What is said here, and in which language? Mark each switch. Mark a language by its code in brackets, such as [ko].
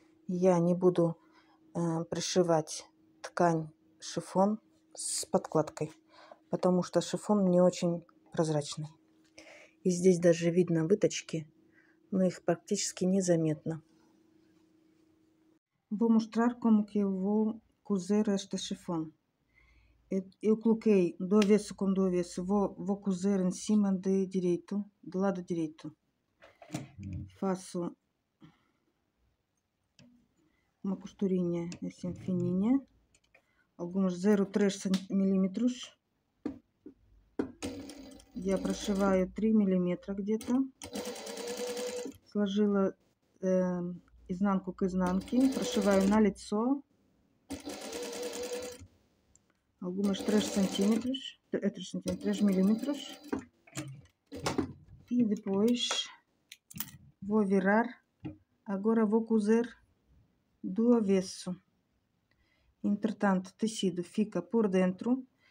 [ru] Я не буду пришивать ткань шифон с подкладкой, потому что шифон не очень прозрачный. И здесь даже видно выточки, но их практически незаметно. [pt] Vou mostrar como que eu vou cozer este chiffon. Eu coloquei do avesso com do avesso, vou cozer em cima de direito, do lado direito. Faço uma costurinha assim fininha, alguns 0,3 mm. [ru] Já прошиваю 3 мм где-то. Сложила изнанку к изнанке, прошиваю на лицо. [pt] Algumas 3 cm, 3 мм, e depois vou virar. Agora vou cozer do avesso. Entretanto, o tecido fica por dentro.